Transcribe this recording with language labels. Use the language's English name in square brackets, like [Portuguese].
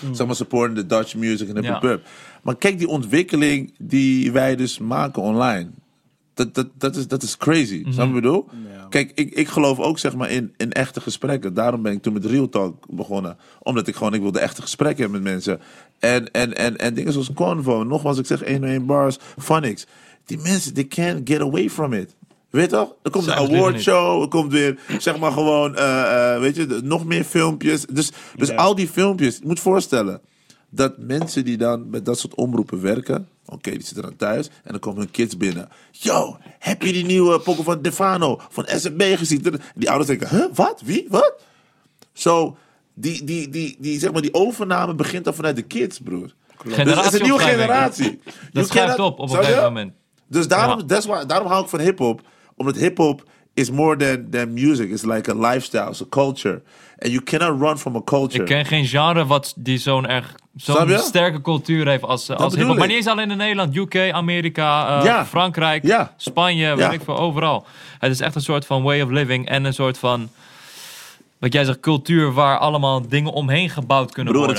[Dutch] Ja. Zeg maar [English] supporting the Dutch music [Dutch] en de pub. Maar kijk die ontwikkeling die wij dus maken online. dat is crazy. Mm-hmm. Snap je wat ik bedoel? Ja. Kijk, ik geloof ook zeg maar in echte gesprekken. Daarom ben ik toen met Real Talk begonnen. Omdat ik wilde echte gesprekken hebben met mensen. En dingen zoals Convo. Nogmaals, ik zeg 101 bars, Phonics. Die mensen, [English] they can't get away from it. [Dutch] Weet toch? Er komt een awardshow, er komt weer, zeg maar gewoon, weet je, nog meer filmpjes. Dus yeah, al die filmpjes, je moet voorstellen dat mensen die dan met dat soort omroepen werken, oké, die zitten dan thuis en dan komen hun kids binnen. Yo, heb je die nieuwe poko van Defano, van SMB gezien? Die ouders denken, huh, wat, wie, wat? Zo, die zeg maar, die overname begint dan vanuit de kids, broer. Dus het is een nieuwe generatie. Dat schuift op een gegeven moment. Dus daarom, daarom hou ik van hip-hop. [English] Omdat hip-hop is more than music. It's like a lifestyle, it's a culture. And you cannot run from a culture. [Dutch] Ik ken geen genre wat die zo'n sterke cultuur heeft als hip-hop. Maar niet eens alleen in Nederland. UK, Amerika, Frankrijk, Spanje, weet ik veel, overal. Het is echt een soort van way of living en een soort van, wat jij zegt, cultuur waar allemaal dingen omheen gebouwd kunnen worden.